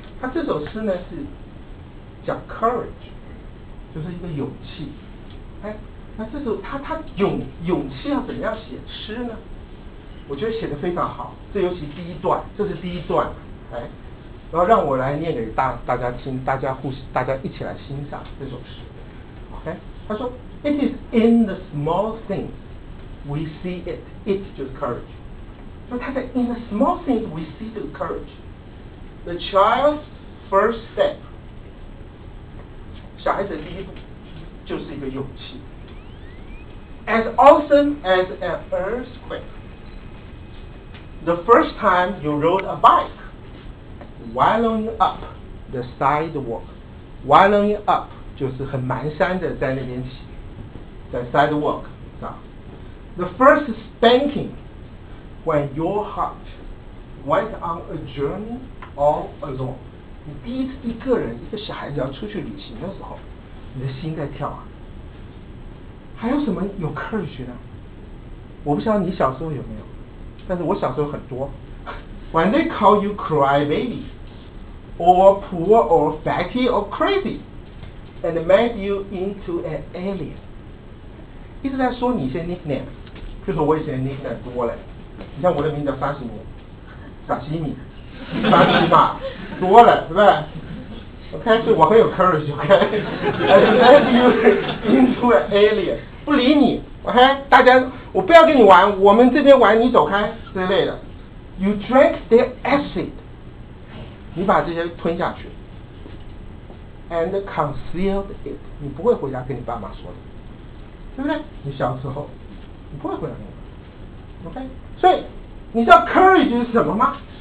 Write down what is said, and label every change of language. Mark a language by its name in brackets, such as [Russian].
[Chinese] 它这首诗呢是讲 courage， 就是一个勇气。那这首他勇气要怎么样写诗呢？我觉得写得非常好，这尤其第一段，这是第一段，然后让我来念给大家听，大家一起来欣赏这首诗。 [English] 他说 ，It is in the small things we see it. It [Chinese] 就是 [English] courage。说他在 in the small things we see the courage。 [Chinese] The child's first step，小孩子的第一步就是一个勇气。 [English] As awesome as an earthquake。 The first time you rode a bike, wallowing up the sidewalk. [Chinese] Wallowing up 就是很蹒跚的在那边骑，在 sidewalk 上。 [English] The first spanking when your heart went on a journey all alone. [Chinese] 你第一次一个人，一个小孩子要出去旅行的时候，你的心在跳啊。还有什么有 courage 呢？我不知道你小时候有没有，但是我小时候很多。 When they call you cry baby, or poor or fatty or crazy, and made you into an alien，一直在说你一些 nickname， 就是我以前 nickname 多了，你像我的名字叫沙西米，沙西米，沙西嘛，多了，对不对？ OK， 所以我很有 courage， OK， and made you into an alien，不理你。 OK， 大家，我不要跟你玩，我们这边玩，你走开之类的。 You drank their acid，你把这些吞下去 ， and concealed it，你不会回家跟你爸妈说的，对不对？你小时候，你不会回家跟你爸妈。OK， 所以你知道 courage 是什么吗？